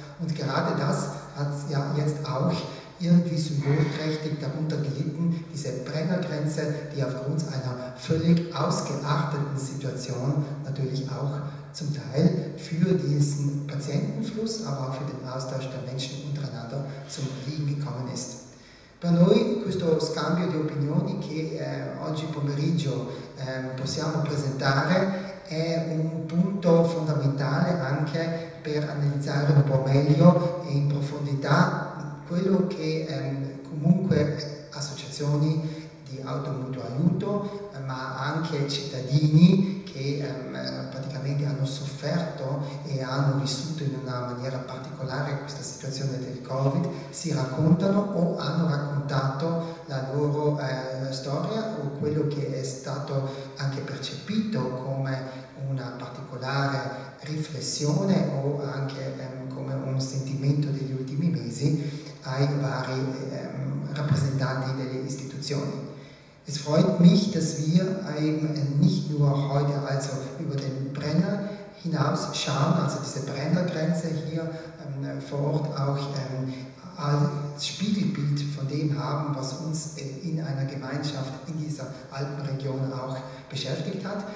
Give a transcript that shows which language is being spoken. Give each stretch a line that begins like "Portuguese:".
German: Und gerade das hat ja jetzt auch irgendwie symbolträchtig darunter gelitten, diese Brennergrenze, die aufgrund einer völlig ausgeachteten Situation natürlich auch zum Teil für diesen Patientenfluss, aber auch für den Austausch der Menschen untereinander zum Liegen gekommen ist.
Italian: Per noi questo scambio di opinioni che oggi pomeriggio possiamo presentare è un punto fondamentale anche per analizzare un po' meglio e in profondità quello che comunque associazioni di automutuo aiuto, ma anche cittadini che praticamente hanno sofferto e hanno vissuto in una maniera particolare questa situazione del Covid, si raccontano o hanno raccontato la loro storia o quello che è stato anche percepito come una particolare riflessione o anche come un sentimento degli ultimi mesi ai vari rappresentanti delle istituzioni.
German: Es freut mich, dass wir eben nicht nur heute also über den Brenner hinaus schauen, also diese Brennergrenze hier vor Ort auch als Spiegelbild von dem haben, was uns in einer Gemeinschaft in dieser Alpenregion auch beschäftigt hat.